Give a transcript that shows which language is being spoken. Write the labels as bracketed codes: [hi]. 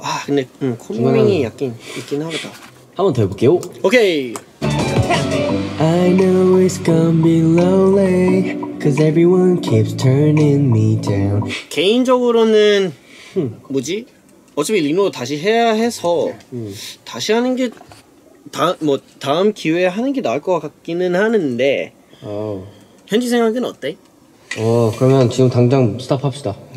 [ko] 아, 근데 콧노래가 약간 있긴 하겠다. 한 번 더 해볼게요. 오케이. [en] I know it's gonna be lonely, cause everyone keeps turning me down. [ko] 개인적으로는 뭐지? 어차피 리노 다시 해야 해서 다시 하는 게 다음 기회에 하는 게 나을 것 같기는 하는데. 오. 현지 생각은 어때? 오, 그러면 지금 당장 스탑합시다.